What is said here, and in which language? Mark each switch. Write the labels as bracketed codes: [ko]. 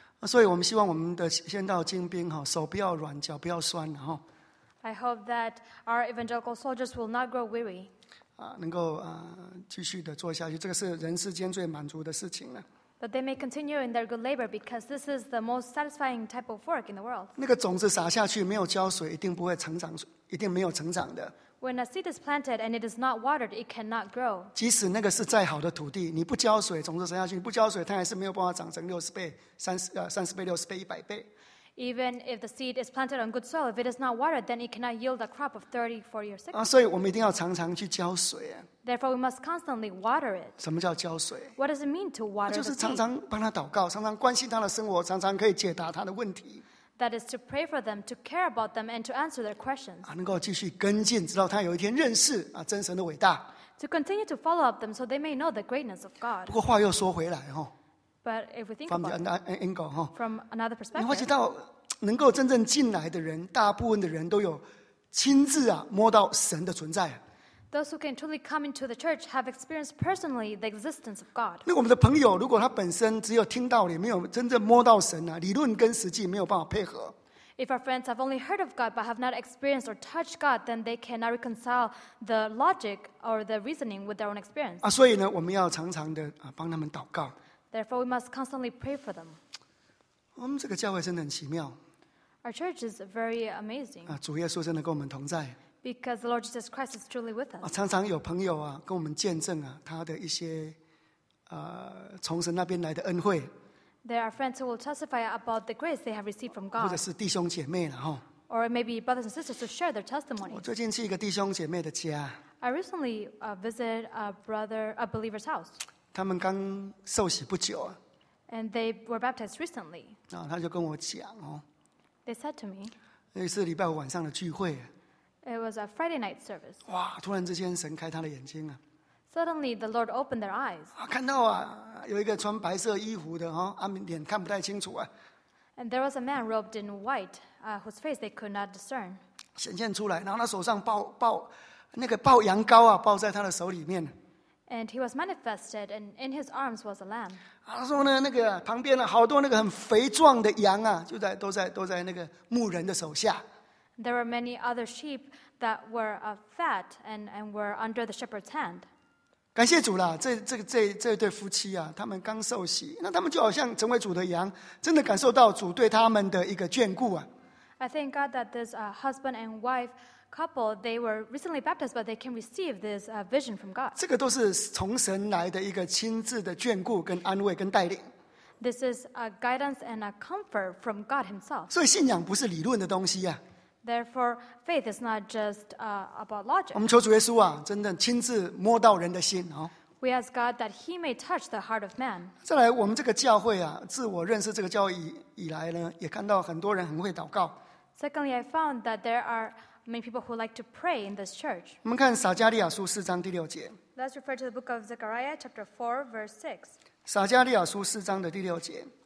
[zh] 所以我们希望我们的宣道精兵手不要软，脚不要酸。 [en] I hope that our evangelical soldiers will not grow weary. [zh] 能够继续的做下去，这个是人世间最满足的事情了。 [en] But they may continue in their good labor because this is the most satisfying type of work in the world. [zh] 那个种子撒下去没有浇水，一定不会成长，一定没有成长的。 [en] When a seed is planted and it is not watered, it cannot grow. [zh] 即使那个是再好的土地，你不浇水，种子生下去，你不浇水，它还是没有办法长成六十倍、三十倍、六十倍、一百倍。 [en] Even if the seed is planted on good soil, if it is not watered, then it cannot yield a crop of 30, 40 or 60. [zh] 所以我们一定要常常去浇水。 [en] Therefore, we must constantly water it. [zh] 什么叫浇水？ [en] What does it mean to water the seed? [zh] 就是常常帮他祷告，常常关心他的生活，常常可以解答他的问题。 [en] That is to pray for them, to care about them, and to answer their questions. [zh] 能够继续跟进，直到他有一天认识真神的伟大。 [en] To continue to follow up them so they may know the greatness of God. [zh] 不过话又说回来， [en] But if we think about it, from another perspective, [zh] 你会知道能够真正进来的人，大部分的人都有亲自摸到神的存在。 [en] Those who can truly come into the church have experienced personally the existence of God. [zh] 那我们的朋友如果他本身只有听道理，没有真正摸到神理论跟实际没有办法配合。 [en] If our friends have only heard of God but have not experienced or touched God, then they cannot reconcile the logic or the reasoning with their own experience. [zh] 所以呢，我们要常常的帮他们祷告。 [en] Therefore, we must constantly pray for them. [zh] 我们这个教会真的很奇妙。 [en] Our church is very amazing. [zh] 主耶稣真的跟我们同在。 [en] Because the Lord Jesus Christ is truly with us. [zh] 常常有朋友跟我们见证他的一些从神那边来的恩惠。 [en] There are friends who will testify about the grace they have received from God. [zh] 或者是弟兄姐妹 [en] Or maybe brothers and sisters to share their testimony. [zh] 我最近去一个弟兄姐妹的家。 [en] I recently visited a believer's house. [zh] 他们刚受洗不久。 [en] And they were baptized recently. [zh] 他就跟我讲 [en] They said to me. [zh] 那是礼拜五晚上的聚会。 [en] It was a Friday night service. [zh] 哇，突然之间神开他的眼睛 [en] Suddenly, the Lord opened their eyes. [zh] 看到有一个穿白色衣服的脸看不太清楚 [en] And there was a man robed in white, whose face they could not discern. [zh] 显现出来，然后他手上抱那个抱羊羔抱在他的手里面。 [en] And he was manifested, and in his arms was a lamb. [zh] 他说呢，那个旁边好多那个很肥壮的羊都在那个牧人的手下。 [en] There were many other sheep that were fat and were under the shepherd's hand. [zh] 感谢主啦，这对夫妻他们刚受洗，那他们就好像成为主的羊，真的感受到主对他们的一个眷顾 [en] I thank God that this husband and wife couple, they were recently baptized, but they can receive this vision from God. [zh] 这个都是从神来的一个亲自的眷顾跟安慰跟带领。 [en] This is a guidance and a comfort from God Himself. [zh] 所以信仰不是理论的东西 [en] Therefore, faith is not just about logic. [zh] 我们求主耶稣真的亲自摸到人的心 [en] We ask God that He may touch the heart of man. [zh] 再来，我们这个教会自我认识这个教会以来呢，也看到很多人很会祷告。 [en] Secondly, I found that there are many people who like to pray in this church. [zh] 我们看撒迦利亚书四章第六节。 [en] Let's refer to the book of Zechariah, chapter 4, verse 6. [zh] 撒迦利亚书四章的第六节。